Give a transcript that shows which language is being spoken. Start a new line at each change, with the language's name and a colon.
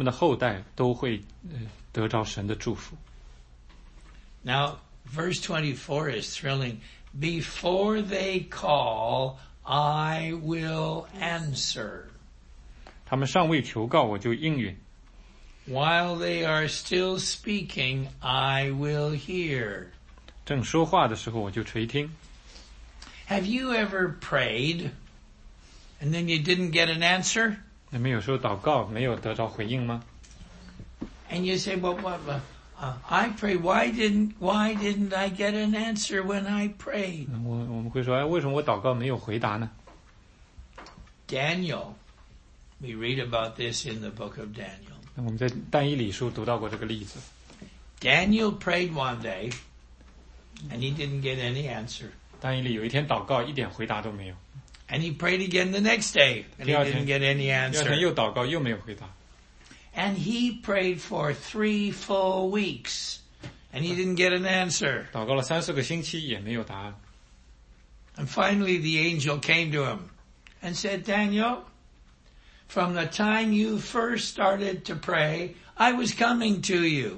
Chinese: 然后他们和他们的后代都会得着神的祝福。
English: Now, verse 24 is thrilling. Before they call, I will answer.
Chinese: 他们尚未求告，我就应允。
English: While they are still speaking, I will hear.
Chinese: 正说话的时候，我就垂听。
English: Have you ever prayed, and then you didn't get an answer?
Chinese: 你们有时候祷告没有得到回应吗？
English: And you say, "Why didn't I get an answer when I prayed?"
Chinese: 我们会说，哎，为什么我祷告没有回答呢？
English: Daniel. We read about this in the book of Daniel.
Chinese: 我们在但以理书读到过这个例子。
English: Daniel prayed one day, and he didn't get any answer.
Chinese: 但以理有一天祷告，一点回答都没有。
English: And he prayed again the next day, and he didn't get any answer.
Chinese: 第二天又祷告，又没有回答。And
English: he prayed for 3 full weeks, and he didn't get an answer.
Chinese: 祷告了3-4个星期，也没有答案。And
English: finally, the angel came to him and said, Daniel, from the time you first started to pray, I was coming to you.